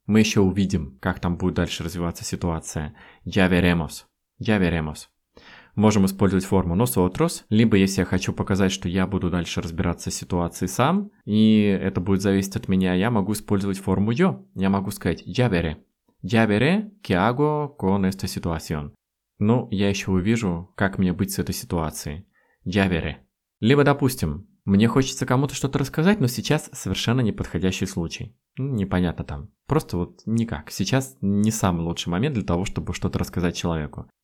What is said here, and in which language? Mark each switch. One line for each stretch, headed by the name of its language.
Russian: Мы еще увидим, как там будет дальше развиваться ситуация.
Spanish: «Ya veremos». «Ya veremos».
Russian: Можем использовать форму «nosotros», либо если я хочу показать, что я буду дальше разбираться с ситуацией сам, и это будет зависеть от меня, я могу использовать форму «yo». Я могу сказать
Spanish: «ya veré». «Ya veré qué hago con esta situación».
Russian: Ну, я еще увижу, как мне быть с этой ситуацией.
Spanish: «Ya veré».
Russian: Либо, допустим, мне хочется кому-то что-то рассказать, но сейчас совершенно неподходящий случай. Ну, непонятно там. Просто вот никак. Сейчас не самый лучший момент для того, чтобы что-то рассказать человеку.